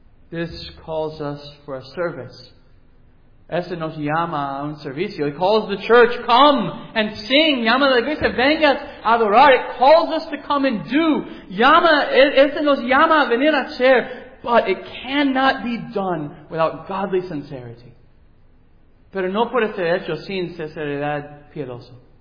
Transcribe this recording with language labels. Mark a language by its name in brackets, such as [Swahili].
[English] This calls us for a service. [Spanish] Esto nos llama a un servicio. [English] It calls the church, come and sing. [Spanish] Llama a la iglesia, venga a adorar. [English] It calls us to come and do. [Spanish] Llama, esto nos llama a venir a hacer. [English] But it cannot be done without godly sincerity. [Spanish] Pero no puede ser hecho sin sinceridad piadosa.